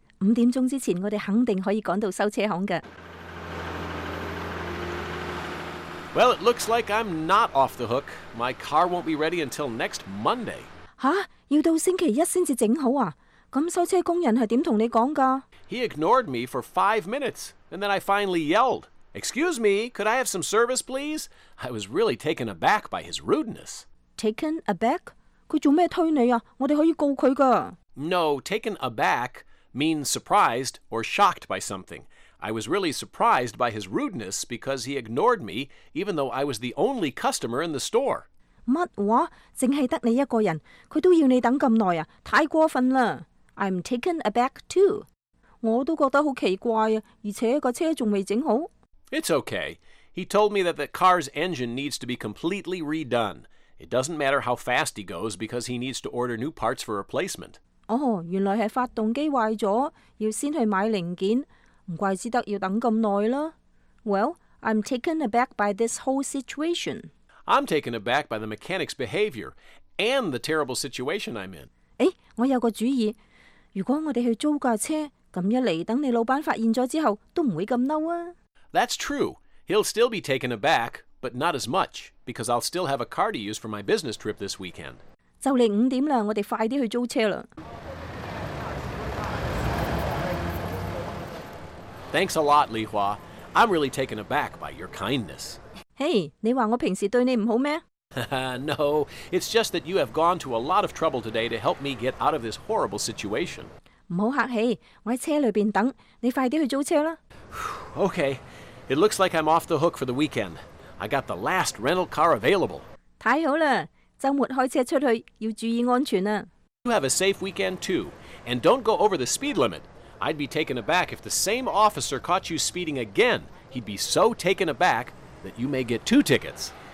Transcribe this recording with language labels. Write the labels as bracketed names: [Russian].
[Cantonese] 五点钟之前，我哋肯定可以赶到收车行嘅。 [English] Well, it looks like I'm not off the hook. My car won't be ready until next Monday. [Cantonese] 吓，要到星期一先至整好啊？咁收车工人系点同你讲噶？ [English] He ignored me for 5 minutes. And then I finally yelled, Excuse me, could I have some service, please? I was really taken aback by his rudeness. Taken aback? [Cantonese] 佢做咩推你啊？我哋可以告佢噶。 [English] No, taken aback means surprised or shocked by something. I was really surprised by his rudeness because he ignored me, even though I was the only customer in the store. [Cantonese] 乜话？净系得你一个人，佢都要你等咁耐啊？太过分啦。 [English] I'm taken aback too. [Cantonese] 我都觉得好奇怪啊，而且个车仲未整好。 [English] It's okay. He told me that the car's engine needs to be completely redone. It doesn't matter how fast he goes because he needs to order new parts for replacement. [Cantonese] 哦，原来系发动机坏咗，要先去买零件，唔怪之得要等咁耐啦。 [English] Well, I'm taken aback by this whole situation. I'm taken aback by the mechanic's behavior and the terrible situation I'm in. [Cantonese] 诶，我有个主意，如果我哋去租架车。咁一嚟，等你老板发现咗之后，都唔会咁嬲啊。 [English] That's true. He'll still be taken aback, but not as much, because I'll still have a car to use for my business trip this weekend. [Cantonese] 就嚟五点啦，我哋快啲去租车啦。 [English] Thanks a lot, Li Hua. I'm really taken aback by your kindness. [Cantonese] Hey, 你话我平时对你唔好咩？ [English] No, it's just that you have gone to a lot of trouble today to help me get out of this horrible situation. [Cantonese] 唔好客气，我喺车里边等你，快啲去租车啦。 [English] Okay, it looks like I'm off the hook for the weekend. I got the last rental car available. [Cantonese] 太好啦，周末开车出去要注意安全啊。 [English] You have a safe weekend too, and don't go over the speed limit. I'd be taken aback if the same officer caught you speeding again. He'd be so taken aback that you may get two tickets.